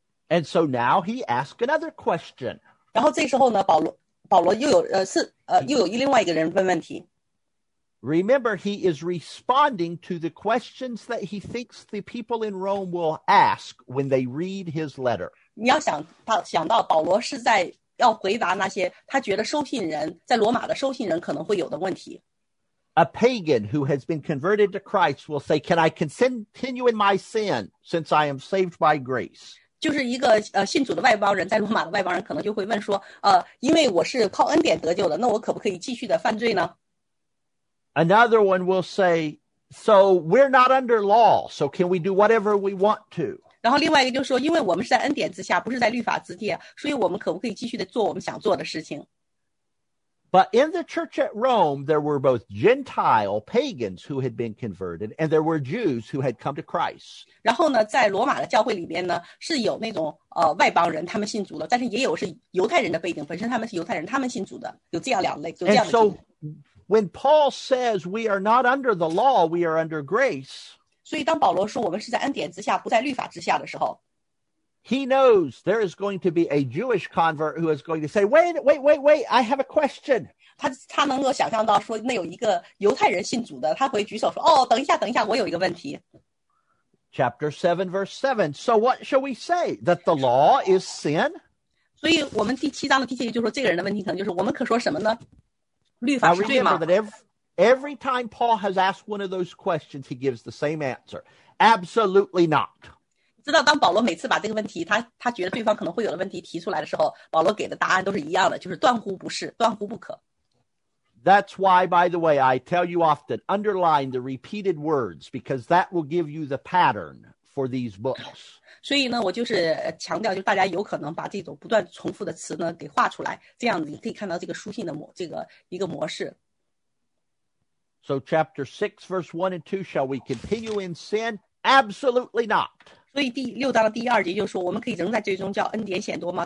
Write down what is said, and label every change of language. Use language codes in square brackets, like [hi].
[en] And so now he asked another question. [zh] 然后这时候呢，保罗又有又有另外一个人问问题。 [en] Remember, he is responding to the questions that he thinks the people in Rome will ask when they read his letter. [zh] 你要想到保罗是在要回答那些他觉得收信人在罗马的收信人可能会有的问题。 [en] A pagan who has been converted to Christ will say, "Can I continue in my sin since I am saved by grace?" [zh] 就是一个信主的外邦人，在罗马的外邦人可能就会问说，因为我是靠恩典得救的，那我可不可以继续的犯罪呢？ [en] Another one will say, "So we're not under law, so can we do whatever we want to?" [zh] 然后另外一个就说，因为我们是在恩典之下，不是在律法之下，所以我们可不可以继续的做我们想做的事情？ [en] But in the church at Rome, there were both Gentile pagans who had been converted, and there were Jews who had come to Christ. [zh] 然后呢，在罗马的教会里边呢，是有那种外邦人，他们信主了，但是也有是犹太人的背景，本身他们是犹太人，他们信主的，有这样两类，有这样的。 [en] And so, when Paul says we are not under the law, we are under grace. [zh] 所以当保罗说我们是在恩典之下，不在律法之下的时候。 [en] He knows there is going to be a Jewish convert who is going to say, "Wait, wait, wait, wait! I have a question." [zh] 他能够想象到说，那有一个犹太人信主的，他会举手说，哦，等一下，等一下，我有一个问题。 [en] Chapter 7, verse 7. So what shall we say? That the law is sin? [zh] 所以我们第七章的第七节就说，这个人的问题可能就是，我们可说什么呢？律法是罪吗？ [en] Now remember that every time Paul has asked one of those questions, he gives the same answer. Absolutely not. [zh] 知道当保罗每次把这个问题他觉得对方可能会有的问题提出来的时候，保罗给的答案都是一样的，就是断乎不是，断乎不可。 [en] That's why, by the way, I tell you often, underline the repeated words, because that will give you the pattern for these books. [zh] 所以呢，我就是强调，就大家有可能把这种不断重复的词呢给画出来，这样你可以看到这个书信的这个一个模式。 [en] So chapter 6, verse 1 and 2, shall we continue in sin? Absolutely not. [zh] 所以第六章的第二节就说，我们可以仍在罪中叫恩典显多吗？